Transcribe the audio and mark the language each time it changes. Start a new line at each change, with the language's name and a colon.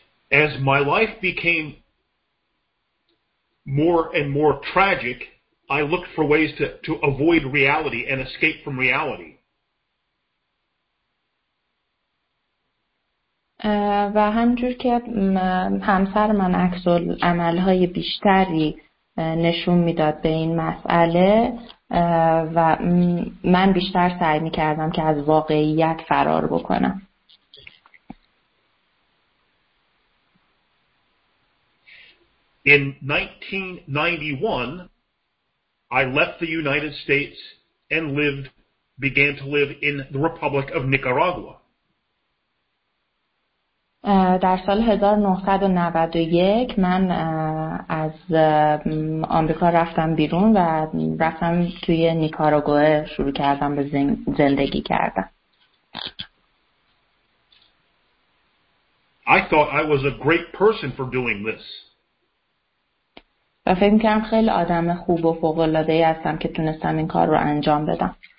English: As my life became more and more tragic, I looked for ways to avoid reality and escape from reality.
Persian: و همجور که همسر من اکسل عملهای بیشتری نشون میداد به این مسئله و من بیشتر سعی میکردم که از واقعیت فرار بکنم.
English: In 1991, I left the United States and began to live in the Republic of Nicaragua.
Persian: در سال 1991 من از آمریکا رفتم بیرون و رفتم توی نیکاراگوئه شروع کردم به زندگی کردم.
English: I thought I was a great person for doing this.
Persian: و فکر می‌کردم خیلی آدم خوب و فوق‌العاده‌ای هستم که تونستم این کار رو انجام بدم.